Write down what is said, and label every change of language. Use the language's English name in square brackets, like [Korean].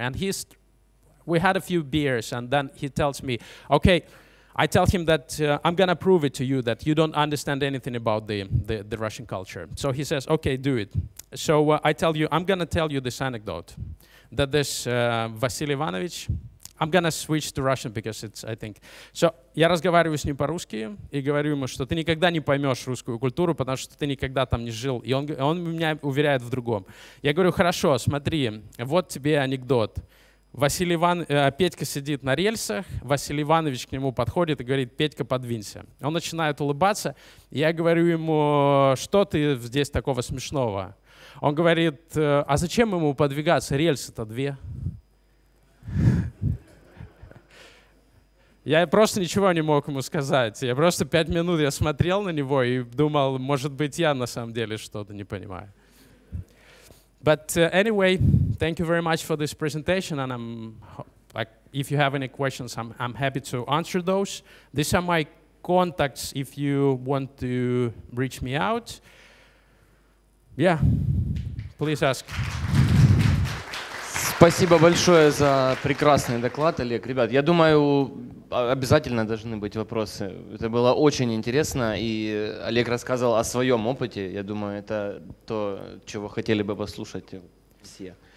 [English] And we had a few beers, and then he tells me, okay, I tell him that I'm going to prove it to you that you don't understand anything about the Russian culture. So he says, okay, do it. So I'm going to tell you this anecdote that this Василий Иванович, I'm going to switch to Russian because it's, I think. [Russian] So, я разговариваю с ним по-русски и говорю ему, что ты никогда не поймешь русскую культуру, потому что ты никогда там не жил. И он меня уверяет в другом. Я говорю, хорошо, смотри, вот тебе анекдот. Петька сидит на рельсах, Василий Иванович к нему подходит и говорит, Петька, подвинься. Он начинает улыбаться. Я говорю ему, что ты здесь такого смешного? Он говорит, а зачем ему подвигаться? Рельсы-то две. Я просто ничего не мог ему сказать. Я просто 5 минут я смотрел на него и думал, может быть, я на самом деле что-то не понимаю. [English] But anyway, thank you very much for this presentation. And if you have any questions, I'm happy to answer those. These are my contacts if you want to reach me out. Yeah, please ask. [Russian] Спасибо большое за прекрасный доклад, Олег. Ребят, я думаю, обязательно должны быть вопросы. Это было очень интересно, и Олег рассказывал о своем опыте. Я думаю, это то, чего хотели бы послушать все.